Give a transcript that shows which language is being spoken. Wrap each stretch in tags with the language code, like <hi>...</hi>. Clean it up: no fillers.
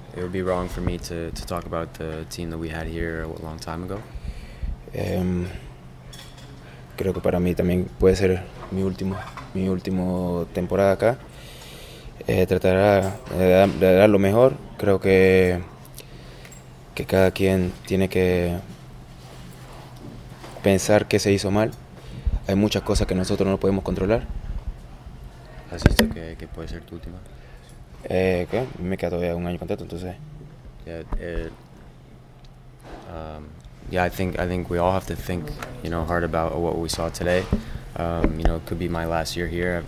<en>would be wrong for me to talk about the team that we had here a long time ago.</en> <es>Creo que para mí también puede ser mi último temporada acá. Tratará de dar lo mejor. Creo que cada quien tiene que pensar qué se hizo mal. Hay muchas cosas que nosotros no podemos controlar. ¿Has dicho que puede ser tu última? ¿Qué? Me queda todavía un año de contrato, entonces.</es> <en>Yeah, I think we all have to think, you know, hard about what we saw today. You know, it could be my last year here.</en>